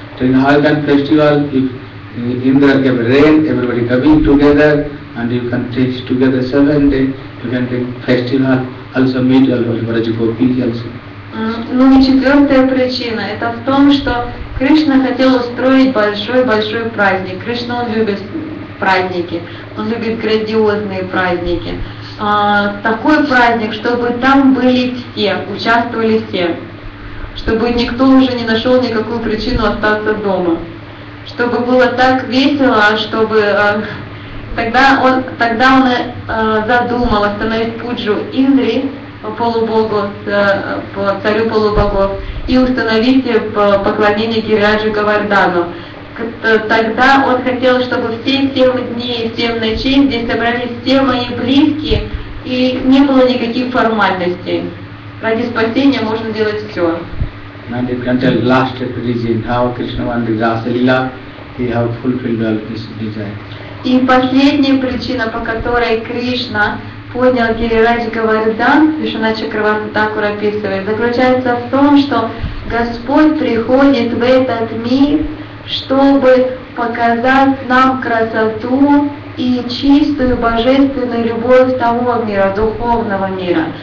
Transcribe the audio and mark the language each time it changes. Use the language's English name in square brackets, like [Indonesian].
[English] During the Halgan festival, if Indra gave rain, everybody coming together and you can take together 7 days, you can take festival, also meet all Brajagopis also. [Russian] Ну и четвертая причина, это в том, что Кришна хотел устроить большой-большой праздник. Кришна, он любит праздники, он любит грандиозные праздники. Такой праздник, чтобы там были все, участвовали все. Чтобы никто уже не нашел никакую причину остаться дома. Чтобы было так весело, чтобы... Тогда он задумал остановить пуджу Индри, полубогу, царю полубогов, и установить поклонение Гирираджу Гавардхану. Тогда он хотел, чтобы все 7 дней, 7 ночей здесь собрались все мои близкие, и не было никаких формальностей. Ради спасения можно делать все. [English] And you can tell last reason, how Krishna wanted Rasalila, he have fulfilled all this desire. [Russian] И последняя причина, по которой Кришна поднял Гирираджа Гавардхану, Вишванатха Чакраварти Такур описывает, заключается в том, что Господь приходит в этот мир, чтобы показать нам красоту и чистую божественную любовь того мира, духовного мира.